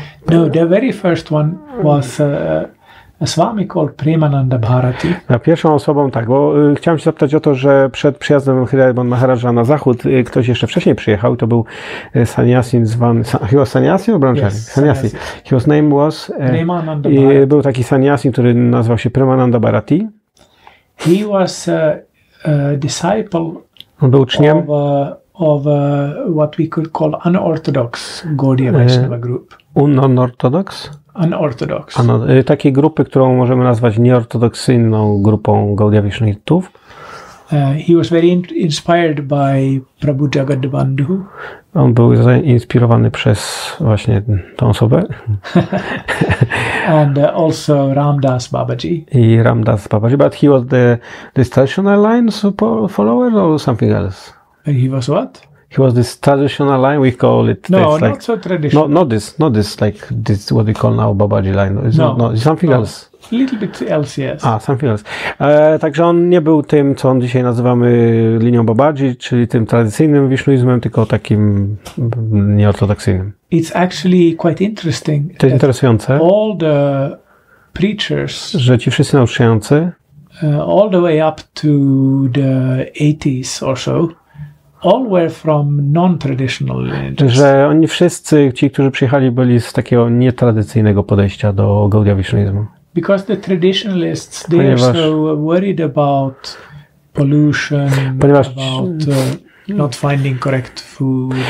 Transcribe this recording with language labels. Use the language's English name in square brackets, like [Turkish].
[English] No, the very first one was a swami called Premananda Bharati. [Polish] Na pierwszą osobą, tak, bo chciałem się zapytać o to, że przed przyjazdem Hidaibon Maharaja na zachód ktoś jeszcze wcześniej przyjechał, to był sannyasin zwany, [English] he was sannyasin or brahmachari? Yes, sannyasin. His name was Premananda Bharati. [Polish] Był taki sannyasin, który nazywał się Premananda Bharati. [English] He was a disciple. [Polish] On był uczniem [English] of what we could call unorthodox Gaudiya Vaishnava group. Unorthodox? Unorthodox. [Polish] Takiej grupy, którą możemy nazwać nieortodoksyjną grupą Gaudiya Vaishnavitów. [English] He was very inspired by Prabhu Jagadbandhu. [Polish] On był zainspirowany przez właśnie tą osobę. [English] And also Ramdas Babaji. [Polish] I Ramdas Babaji. [English] But he was the traditional line support follower or something else? And he was what? He was this traditional line, we call it. No, this, like, not so traditional. Not this, like this, what we call now Babaji line. No, something else. little bit else, yes. A, something else. [Polish] Także on nie był tym, co on dzisiaj nazywamy linią Babaji, czyli tym tradycyjnym wisznuizmem, tylko takim nieortodoksyjnym. [English] It's actually quite interesting. [Polish] To jest interesujące. [English] All the preachers, [Polish] że ci wszyscy nauczający, [English] all the way up to the 80s or so, all were from non-traditional lineages. [Polish] Że oni wszyscy, ci, którzy przyjechali, byli z takiego nietradycyjnego podejścia do Gaudiya Vishnuizmu. [English] Because the traditionalists, they are so worried about pollution, about not finding correct food.